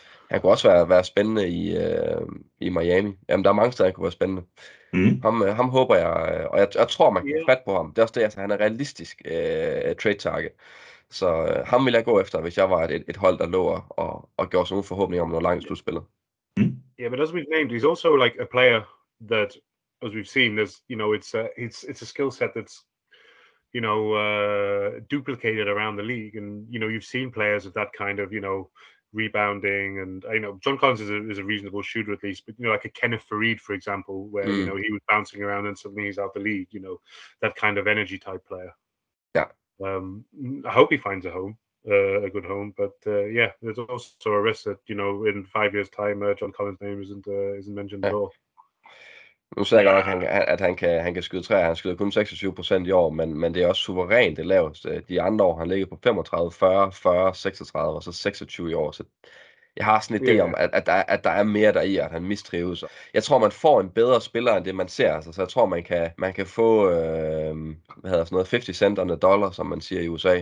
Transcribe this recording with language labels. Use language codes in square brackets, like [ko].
[da] Han kunne også være spændende i Miami. Jamen, der er mange steder, han kunne være spændende. Ham håber jeg, og jeg tror, man kan fat på ham. Det er også det, altså, han er realistisk trade target. Så ham ville jeg gå efter, hvis jeg var et hold, der lå og gjorde sådan nogle forhåbninger om noget langt slutspillet. [en] Yeah, but as we've named, he's also like a player that, as we've seen, there's, you know, it's a skill set that's, you know, duplicated around the league. And, you know, you've seen players of that kind of, you know, rebounding, and you know John Collins is a reasonable shooter at least, but you know, like a Kenneth Faried, for example, where you know, he was bouncing around and suddenly he's out the league, you know, that kind of energy type player. Yeah. I hope he finds a home, a good home, but yeah, there's also a risk that, you know, in 5 years' time, John Collins' name isn't mentioned at all. [da] Nu ser jeg godt nok, at han kan skyde træer. Han skyder kun 26% i år, men det er også suverænt det laveste. De andre år, han ligger på 35, 40, 40, 36 og så 26 i år. Så jeg har sådan en idé om, at der er mere der i, at han mistrives. Jeg tror, man får en bedre spiller, end det man ser. Altså, så jeg tror, man kan få [en] 50 cent on the dollar, [da] som man siger i USA.